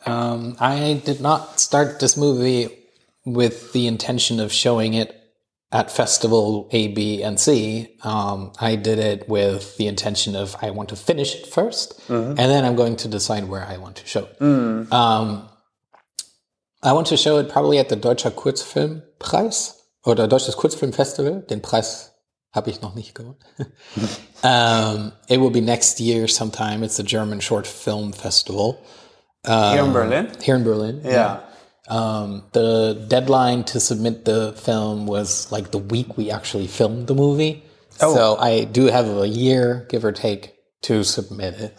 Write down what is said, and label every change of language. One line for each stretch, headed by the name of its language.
English: I did not start this movie with the intention of showing it at festival A, B, and C. I did it with the intention of I want to finish it first, and then I'm going to decide where I want to show it. Mm. I want to show it probably at the Deutscher Kurzfilmpreis oder Deutsches Kurzfilmfestival.
German: Den Preis habe ich noch nicht gewonnen.
English: It will be next year sometime. It's the German Short Film Festival. Here in Berlin? Here in Berlin, yeah. The deadline to submit the film was like the week we actually filmed the movie. Oh. So I do have a year, give or take, to submit it.